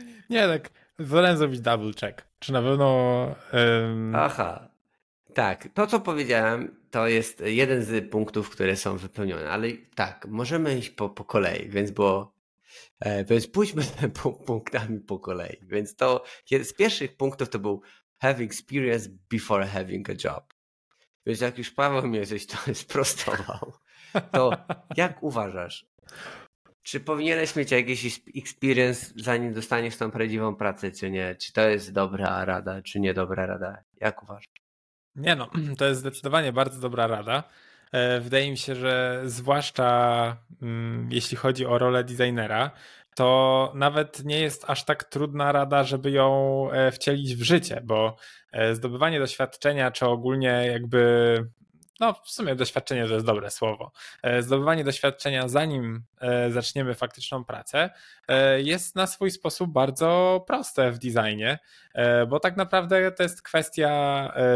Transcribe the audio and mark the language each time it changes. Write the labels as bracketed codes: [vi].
[pl] Nie, tak, wolę zrobić double check, czy na pewno... Aha, tak, to co powiedziałem, to jest jeden z punktów, które są wypełnione, ale tak, możemy iść po kolei, więc pójdźmy punktami po kolei, więc to z pierwszych punktów to był [en] have experience before having a job. [pl] Więc jak już Paweł mnie coś to sprostował, to jak uważasz, czy powinieneś mieć jakiś experience, zanim dostaniesz tą prawdziwą pracę, czy nie? Czy to jest dobra rada, czy niedobra rada? Jak uważasz? Nie no, to jest zdecydowanie bardzo dobra rada. Wydaje mi się, że zwłaszcza jeśli chodzi o rolę designera, to nawet nie jest aż tak trudna rada, żeby ją wcielić w życie, bo zdobywanie doświadczenia, czy ogólnie jakby, no w sumie doświadczenie to jest dobre słowo, zdobywanie doświadczenia zanim zaczniemy faktyczną pracę jest na swój sposób bardzo proste w designie, bo tak naprawdę to jest kwestia